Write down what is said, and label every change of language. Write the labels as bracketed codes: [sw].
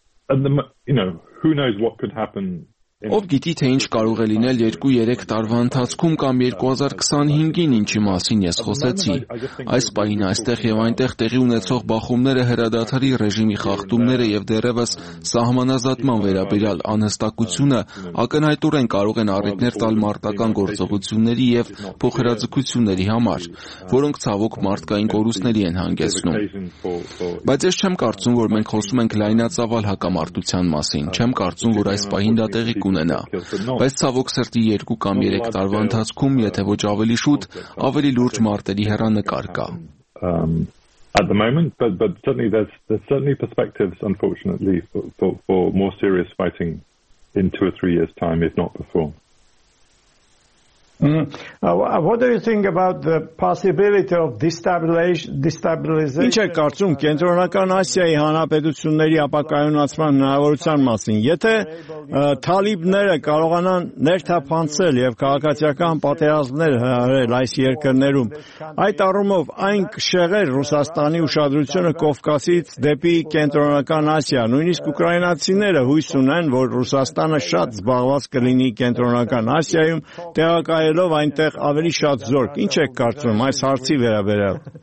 [en] I mean, who knows what could happen? [hy] Ով գիտի, թե ինչ կարող է լինել 2-3 տարվա ընթացքում կամ 2025-ին, ինչի մասին ես խոսեցի։ Այս պահին այստեղ և այնտեղ տեղի ունեցող բախումները, հրադադարի ռեժիմի խախտումները և դեռևս սահմանազատման վերաբերյալ անհստակությունը ակնհայտորեն կարող են առիթներ տալ մարտական գործողությունների և փոխհրաձգությունների համար, որոնք ցավոք մարդկային կորուստների են հանգեցնում։ Բայց ես չեմ կարծում, որ մենք խոսում ենք լայնածավալ հակամարտության մասին։ Չեմ կարծում, որ այս պահին դա տեղի ունենա։ Բայց ցավոք սրտի 2 կամ 3 տարվա ընթացքում, եթե ոչ ավելի շուտ, ավելի լուրջ մարտերի հեռանկար կա։ [en] At the moment, but certainly there's certainly perspectives, unfortunately, for more serious fighting in 2 or 3 years time, if not before. What do you think about the possibility of destabilization? [hy] Ինչ եք կարծում կենտրոնական Ասիայի հանրապետությունների ապակայունացման հնարավորության մասին, եթե Թալիբները կարողանան ներթափանցել և քաղաքացիական պատերազմներ հրել այս երկրներում, այդ առումով այն կշեղեր Ռուսաստանի ուշադրությունը Կովկասից դեպի կենտրոնական Ասիա, նույնիսկ ուկրաինացիները հույս ունեն, որ Ռուսաստանը շատ զբաղված կլինի կենտրոնական Ասիայում, տեղակայ Հելով այնտեղ ավելի շատ զորք, ինչ եք կարծում այս հարցի վերաբերյալ?